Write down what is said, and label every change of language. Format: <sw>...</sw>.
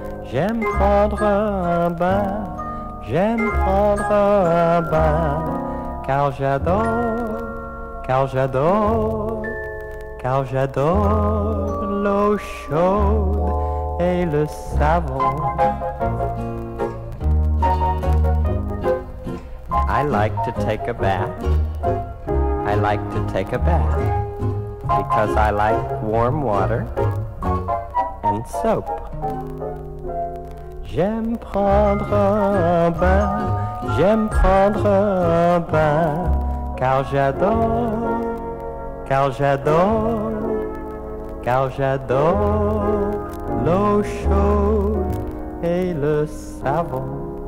<fr>J'aime prendre un bain, j'aime prendre un bain, car j'adore l'eau chaude et le savon.</fr> <en>I like to take a bath, I like to take a bath, because I like warm water and soap.</en> <fr>J'aime prendre un bain, j'aime prendre un bain, car j'adore l'eau chaude et le savon.</fr>